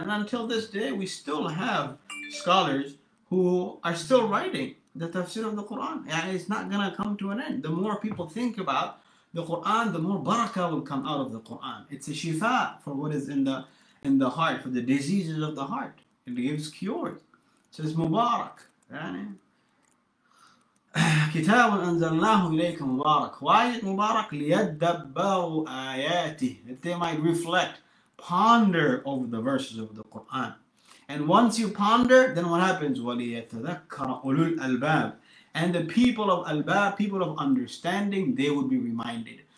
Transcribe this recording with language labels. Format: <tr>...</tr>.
<en>And until this day, we still have scholars who are still writing the Tafsīr of the Quran. And it's not going to come to an end. The more people think about the Quran, the more barakah will come out of the Quran. It's a shifa for what is in the heart, for the diseases of the heart. It gives cures. So it's Mubarak.</en> <ar>كتاب أنزلناه إليك مبارك.</ar> <en>Why is it مبارك?</en> <ar>ليدبروا آياته.</ar> <en>That they might reflect, ponder over the verses of the Quran. And once you ponder, then what happens?</en> <ar>وليتذكر أولو الألباب.</ar> <en>And the people of Albab, people of understanding, they would be reminded.</en>